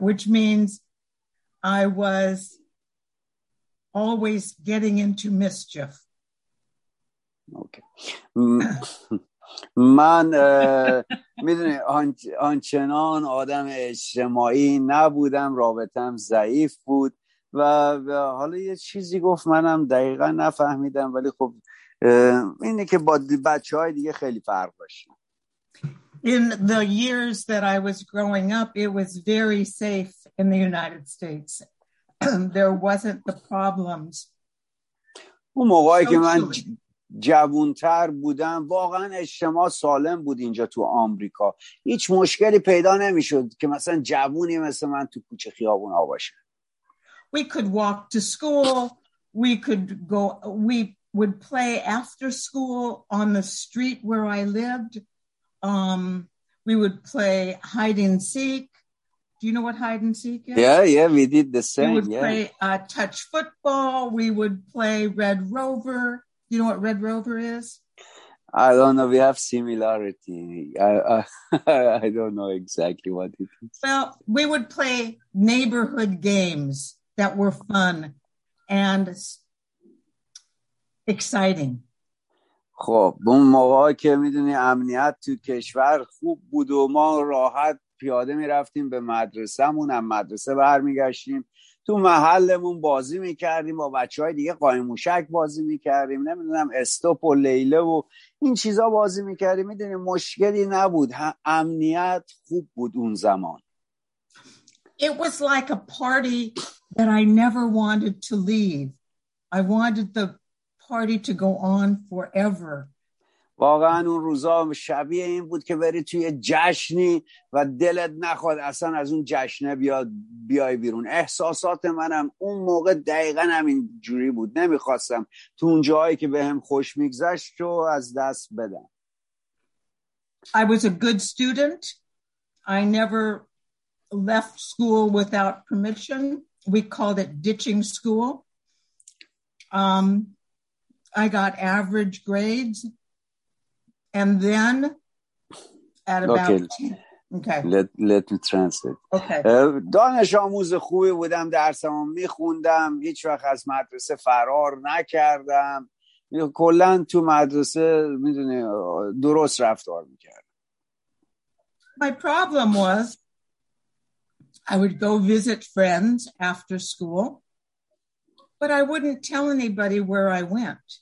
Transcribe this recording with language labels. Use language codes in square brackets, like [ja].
[en] Which means I was always getting into mischief. Okay. [fa] من میدونی آنچنان آدم اجتماعی نبودم، رابطم ضعیف بود و حالا یه چیزی گفت منم دقیقا نفهمیدم، ولی خب اینه که با بچه های دیگه خیلی فرق باشه. [en] In the years that I was growing up, it was very safe in the United States. There wasn't the problems. [fa] اون موقعی که من جوان‌تر بودم واقعا اجتماع سالم بود اینجا تو آمریکا. هیچ مشکلی پیدا نمی‌شد که مثلا جوونی مثل من تو کوچه خیابونا باشه. [en] We could walk to school. We could go. We would play after school on the street where I lived. We would play hide and seek. Do you know what hide and seek is? Yeah, we did the same. We would yeah. play touch football. We would play Red Rover. Do you know what Red Rover is? I don't know. We have similarity. I don't know exactly what it is. Well, we would play neighborhood games that were fun and exciting. [fa] خب، اون موقعی که میدونی امنیت تو کشور خوب بود و ما راحت پیاده می رفتیم به مدرسه‌مون، از مدرسه برمیگشتیم، تو محلمون بازی می‌کردیم، با بچه‌های دیگه قایم موشک بازی می‌کردیم، نمی‌دونم استوپ و لیله و این چیزا بازی می‌کردیم. می‌دونی مشکلی نبود، امنیت خوب بود اون زمان. [en] It was like a party that I never wanted to leave. I wanted the party to go on forever. [fa] واقعا اون روزا شبیه این بود که بری توی جشنی و دلت نخواد اصلا از اون جشنه بیای بیرون. احساسات منم اون موقع دقیقا همین جوری بود. نمیخواستم تو اون جایی که بهم خوش میگذشت رو از دست بدم. [en] I was a good student. I never left school without permission. We called it ditching school. I got average grades. And then at about... Let me translate. [fa] دانش آموز خوبی بودم، درسم رو میخوندم، هیچ وقت از مدرسه فرار نکردم، کلن تو مدرسه میدونی درست رفتار میکردم. [en] My problem was I would go visit friends after school, but I wouldn't tell anybody where I went.